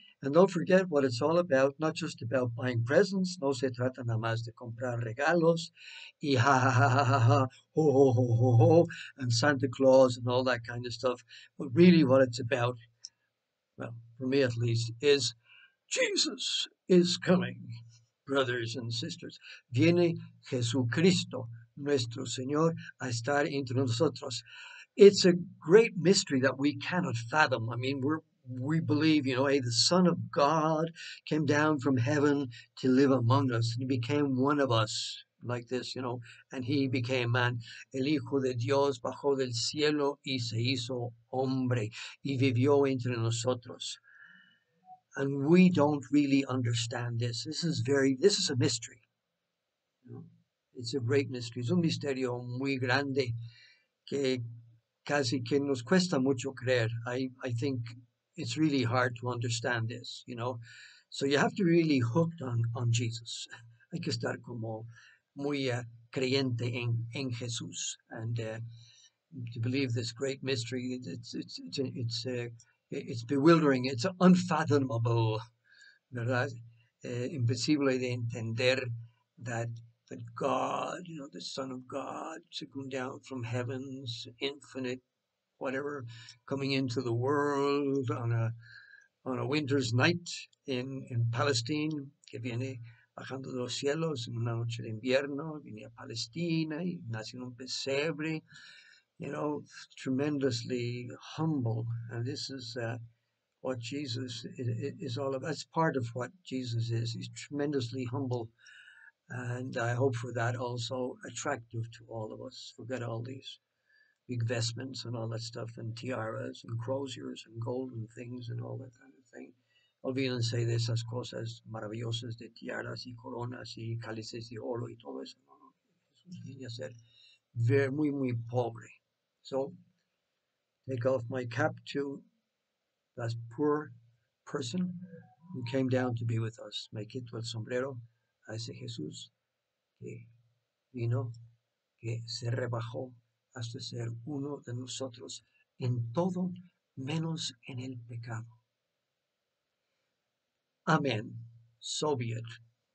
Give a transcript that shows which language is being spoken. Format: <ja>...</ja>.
<en>And don't forget what it's all about, not just about buying presents,</en> <es>no se trata nada más de comprar regalos,</es> <en>y ha ha ha ha ha, ho ho ho ho ho, and Santa Claus and all that kind of stuff. But really, what it's about, well, for me at least, is Jesus is coming, brothers and sisters.</en> <es>Viene Jesucristo, nuestro Señor, a estar entre nosotros.</es> <en>It's a great mystery that we cannot fathom. I mean, we believe, you know, hey, the Son of God came down from heaven to live among us, and he became one of us, like this, you know, and he became man.</en> <es>El Hijo de Dios bajó del cielo y se hizo hombre, y vivió entre nosotros.</es> <en>And we don't really understand this. This is a mystery. You know? It's a great mystery.</en> <es>Es un misterio muy grande que casi que nos cuesta mucho creer.</es> <en>I think it's really hard to understand this, you know. So you have to be really hooked on Jesus.</en> <es>Hay que estar como muy creyente en Jesús.</es> <en>And to believe this great mystery, it's bewildering. It's unfathomable,</en> <es>¿verdad? Imposible de entender</es> <en>that God, you know, the Son of God, to come down from heavens, infinite, whatever, coming into the world on a winter's night in Palestine,</en> <es>que viene bajando de los cielos en una noche de invierno, viene a Palestina y nace en un pesebre.</es> <en>You know, tremendously humble. And this is what Jesus is all about. That's part of what Jesus is. He's tremendously humble. And I hope for that also attractive to all of us. Forget all these big vestments and all that stuff, and tiaras and croziers and golden things and all that kind of thing.</en> <es>Olvídense de esas cosas maravillosas de tiaras y coronas y cálices de oro y todo eso. No, no. Jesús viene a ser very, muy, muy pobre.</es> <en>So, take off my cap to that poor person who came down to be with us.</en> <es>Me quito el sombrero a ese Jesús que vino, que se rebajó hasta ser uno de nosotros en todo menos en el pecado. Amén.</es> <en>So be it.</en>